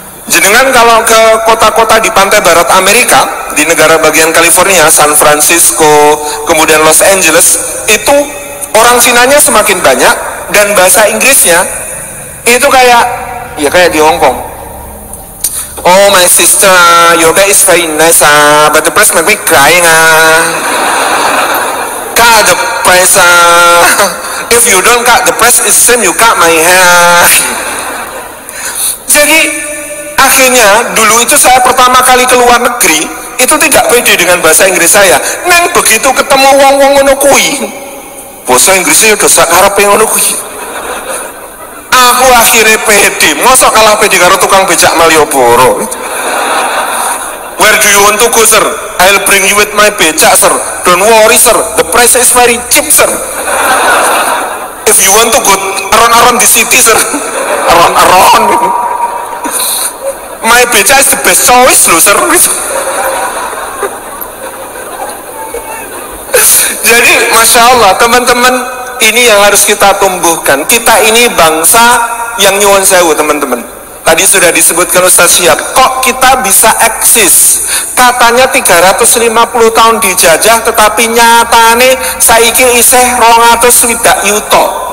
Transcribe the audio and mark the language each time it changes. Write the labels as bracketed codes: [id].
[id] Jenengan kalau ke kota-kota di pantai barat Amerika, di negara bagian California, San Francisco, kemudian Los Angeles, itu orang Cinanya semakin banyak dan bahasa Inggrisnya itu kayak ya kayak di Hong Kong. [en] Oh my sister, yoga is very nice ah, but the press make me crying ah. Cut the press ah. If you don't cut the press, it's same you cut my hair. [id] Jadi akhirnya dulu itu saya pertama kali ke luar negeri itu tidak pede dengan bahasa Inggris saya. [jv] Neng begitu ketemu wong-wong ngono kuwi, bahasa Inggrisnya udah sak ngarepe ngono kuwi. Aku akhirnya pede, mosok kalah pede karo tukang becak Malioboro. [en] Where do you want to go, sir? I'll bring you with my becak, sir. Don't worry, sir. The price is very cheap, sir. If you want to go around the city, sir. Around. My becak is the best choice, loh, sir. [id] Jadi, Masya Allah, teman-teman, ini yang harus kita tumbuhkan. Kita ini bangsa yang [jv] nyuwun sewu, [id] teman-teman. Tadi sudah disebutkan Ustaz Syihab, kok kita bisa eksis? Katanya 350 tahun dijajah, tetapi [jv] nyatane saiki isih 250 yuto.